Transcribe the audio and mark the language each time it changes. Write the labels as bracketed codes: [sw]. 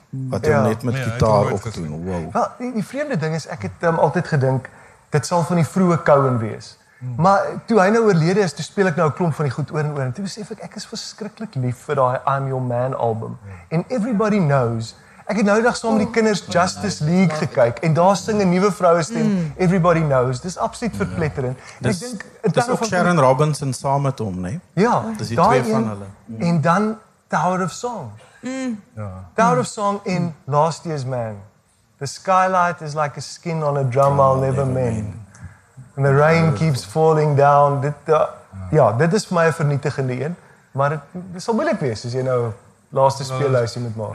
[af] Wat hem net met gitaar opdoen. Wow. Wel, die vreemde ding is, ek het altyd gedink, dit sal van die vroege Kouen wees. Maar toe hy nou oorlede is, toe speel ek nou 'n klomp van die goed oor en oor. En toe besef ek is verskriklik lief vir daai I'm Your Man album. En Everybody Knows. Ek het nou die dag saam met die kinders Justice League gekyk. En daar sing 'n nuwe vrouestem, Everybody Knows. Dis absoluut verpletterend. Dis ook Sharon Robinson saam met hom, nee? Ja. Dis die twee van hulle. En dan Tower of Song. [en] Tower of Song in Last Year's Man. The skylight is like a skin on a drum I'll never mend. And the rain keeps falling down. [af] Dit is vir my 'n vernietigende een. Maar dit sal moeilik wees as jy nou laaste speellysie moet maak.